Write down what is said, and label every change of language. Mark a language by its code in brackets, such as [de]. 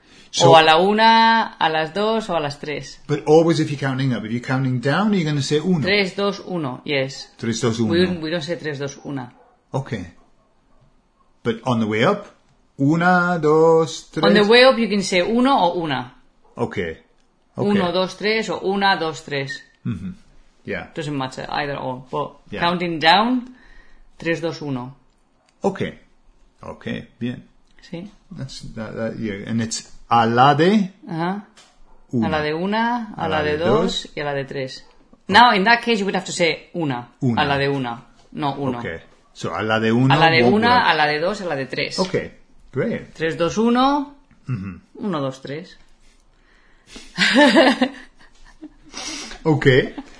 [es] So, o a la una, a las dos, o a las tres. [en] But always if you're counting up. If you're counting down, are you going to say uno? 3, 2, 1, yes. 3, 2, 1. We don't say 3, 2, 1. Okay. But on the way up, una, dos, tres. On the way up, you can say uno o una. Okay. [es] Uno, dos, tres, o una, dos, tres. [en] Mm-hmm. Yeah. Doesn't matter, either or. But yeah. Counting down, 3, 2, 1. Okay. Okay, bien. [es] Sí. [en] And it's... A la de... Uh-huh. [es] A la de una, a la de dos, y a la de tres. [en] Now, in that case, you would have to say una. [es] Una. A la de una, no uno. [en] Okay. So, a la de una... [es] A la de una, a la de dos, a la de tres. [en] Okay, great. 3, 2, 1. Mm-hmm. 1, 2, 3. Okay.